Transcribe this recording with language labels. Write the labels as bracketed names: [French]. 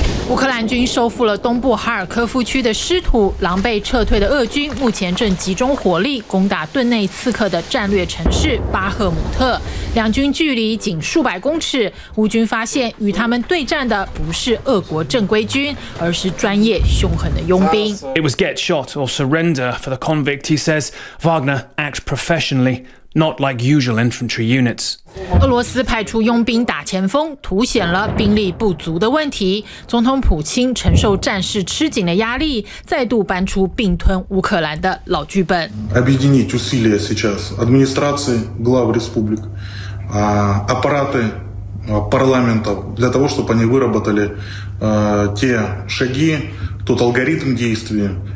[Chinese] 乌克兰军收复了东部哈尔科夫区的失土，狼狈撤退的俄军目前正集中火力攻打顿内茨克的战略城市巴赫姆特。两军距离仅数百公尺，乌军发现与他们对战的不是俄国正规军，而是专业凶狠的佣兵。 [English] It was get shot or surrender for the convict, he says. Wagner acts professionally, not like usual infantry units. [Chinese] 俄罗斯派出佣兵打前锋，凸显了兵力不足的问题。总统普京承受战事吃紧的压力，再度搬出并吞乌克兰的老剧本。 [Russian] Объединить усилия сейчас администрации глав республик, аппараты парламента для того, чтобы они выработали те шаги, тот алгоритм действий.